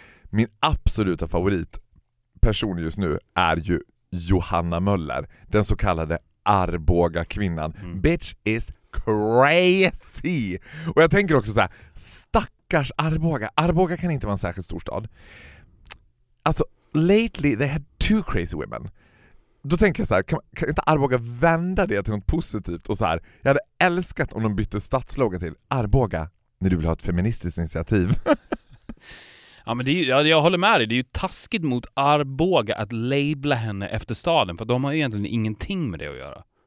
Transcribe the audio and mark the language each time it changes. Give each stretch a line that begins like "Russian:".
Swedish: Min absoluta favoritperson just nu är ju Johanna Möller, den så kallade Arboga kvinnan. Mm.
English: Bitch is crazy.
Swedish: Och jag tänker också så här, stackars Arboga. Arboga kan inte vara en särskilt stor stad.
English: Alltså, lately they had two crazy women.
Swedish: Då tänker jag så här, kan inte Arboga vända det till något positivt och så här, jag hade älskat om de bytte stadslogga till Arboga när du vill ha ett feministiskt initiativ. Ja, men det är, jag håller med dig. Det är ju taskigt mot Arboga att labela henne efter staden, för de har ju egentligen ingenting med det att göra.